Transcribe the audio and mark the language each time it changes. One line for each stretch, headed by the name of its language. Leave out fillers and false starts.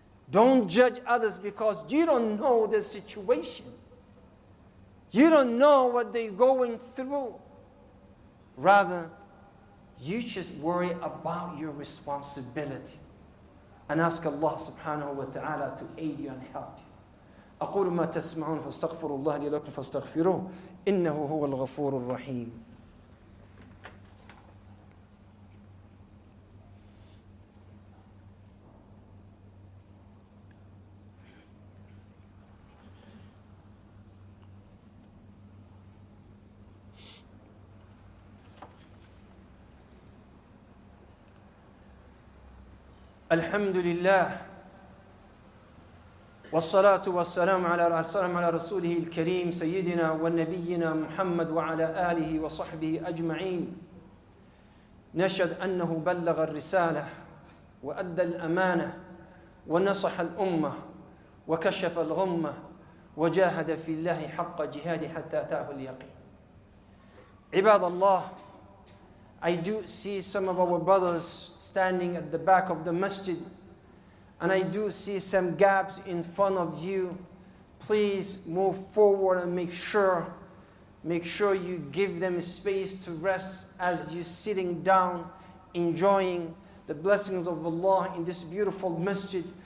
English: Don't judge others because you don't know the situation. You don't know what they're going through. Rather, you just worry about your responsibility and ask Allah subhanahu wa ta'ala to aid you and help you.
Arabic: أقول ما تسمعون فاستغفروا الله لي لكم فاستغفروه إنه هو الغفور الرحيم. الحمد لله والصلاة والسلام على رسوله الكريم سيدنا ونبينا محمد وعلى آله وصحبه أجمعين. نشهد أنه بلغ الرسالة وأدى الأمانة ونصح الأمة وكشف الغمة وجاهد في الله حق جهاده حتى أتاه اليقين. عباد الله,
English: I do see some of our brothers standing at the back of the masjid, and I do see some gaps in front of you. Please move forward and make sure you give them space to rest as you're sitting down, enjoying the blessings of Allah in this beautiful masjid.